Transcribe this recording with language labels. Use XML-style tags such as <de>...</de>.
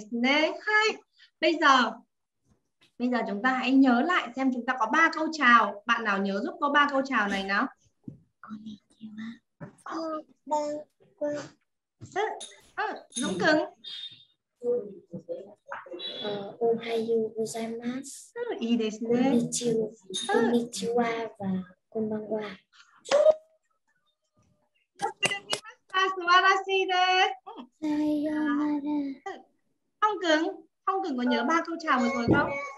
<ja>よくできました。いいですね。はい。</ja> <vi>bây giờ chúng ta hãy nhớ lại xem chúng ta có ba câu chào. Bạn nào nhớ giúp có ba câu chào này nào?</vi> <ja>こんにちは。こんばんは。うん、ノン君。おはようございます。いいですね。こんにちは。こんばんは。よくできました。素晴らしいです。</ja> <vi>Phong Cường, Phong Cường có nhớ ba câu chào vừa rồi không?</vi>